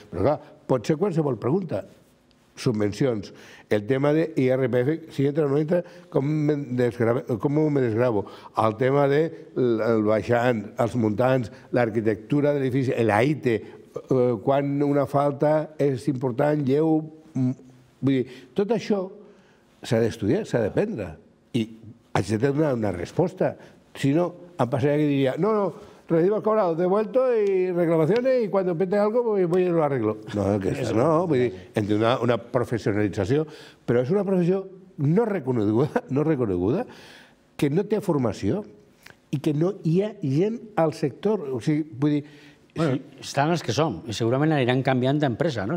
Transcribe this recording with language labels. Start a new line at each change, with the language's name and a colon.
Catalan: Però clar, pot ser qualsevol pregunta. Subvencions, el tema d'IRPF, si entra o no entra, com me desgravo? El tema del baixant, els muntants, l'arquitectura de l'edifici, l'AITE, quan una falta és important, lleu... Vull dir, tot això s'ha d'estudiar, s'ha d'aprendre. I haig de donar una resposta. Si no, em passaria que diria, no, no,
Spanish: recibo el cobrado, devuelto y reclamaciones y cuando pete algo voy y lo arreglo.
Catalan: No, no, vull dir, entre una professionalització, però és una professió no reconeguda, no reconeguda, que no té formació i que no hi ha gent al sector. O sigui, vull dir... Bueno, estan els que som, i segurament aniran canviant d'empresa, no?